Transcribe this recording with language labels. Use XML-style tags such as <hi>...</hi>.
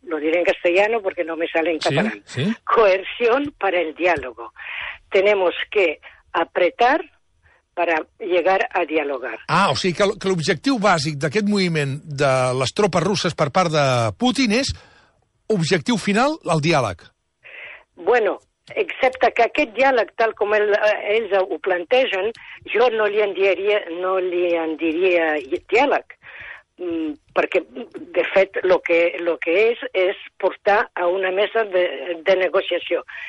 <es>Lo diré en castellano</es> <ca>perquè no me sale en català.</ca> <es>Sí, sí.</es> <ca>Coerció per al diàlogo.</ca> <es>Tenemos que apretar para llegar a dialogar.</es> <ca>Ah, o sigui que l'objectiu bàsic d'aquest moviment de les tropes russes per part de Putin és objectiu final, el diàleg. Bueno, excepte que aquest diàleg, tal com ells ho plantegen, jo no li en diria diàleg, perquè, de fet, el que és portar a una mesa de negociació.</ca>